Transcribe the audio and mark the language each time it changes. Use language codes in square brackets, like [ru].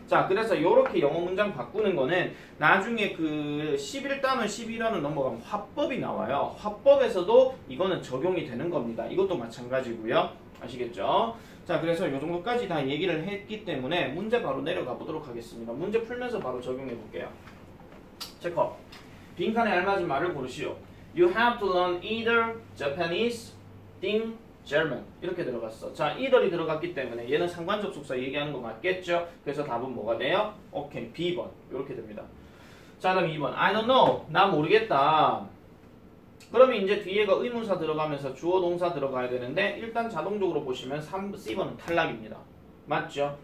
[ko] 자, 그래서 이렇게 영어 문장 바꾸는 거는 나중에 그 11단원, 12단원 넘어가면 화법이 나와요. 화법에서도 이거는 적용이 되는 겁니다. 이것도 마찬가지고요. 아시겠죠? 자, 그래서 요 정도까지 다 얘기를 했기 때문에 문제 바로 내려가 보도록 하겠습니다. 문제 풀면서 바로 적용해 볼게요. 체크. 빈칸에 알맞은 말을 고르시오. [en] You have to learn either Japanese, thing, German. [ko] 이렇게 들어갔어. 자, either이 들어갔기 때문에 얘는 상관적 속사 얘기하는 거 맞겠죠? 그래서 답은 뭐가 돼요? 오케이, B번. 이렇게 됩니다. 자, 다음 2번. [en] I don't know. [ko] 나 모르겠다. 그러면 이제 뒤에가 의문사 들어가면서 주어 동사 들어가야 되는데 일단 자동적으로 보시면 C번은 탈락입니다. 맞죠?